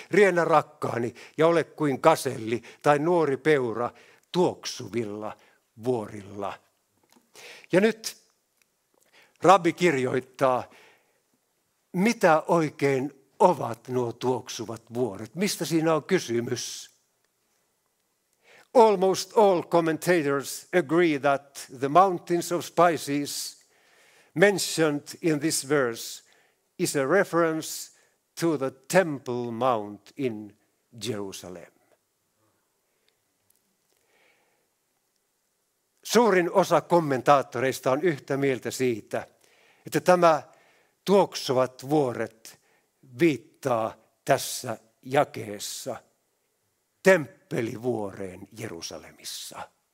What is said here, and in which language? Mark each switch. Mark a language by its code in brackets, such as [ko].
[fi] Riennä rakkaani ja ole kuin gaselli tai nuori peura tuoksuvilla vuorilla. Ja nyt rabbi kirjoittaa, mitä oikein ovat nuo tuoksuvat vuoret? Mistä siinä on kysymys? [en] Almost all commentators agree that the mountains of spices mentioned in this verse is a reference to the Temple Mount in Jerusalem. [fi] Suurin osa kommentaattoreista on yhtä mieltä siitä, että tämä tuoksuvat vuoret viittaa tässä jakeessa temppelivuoreen Jerusalemissa.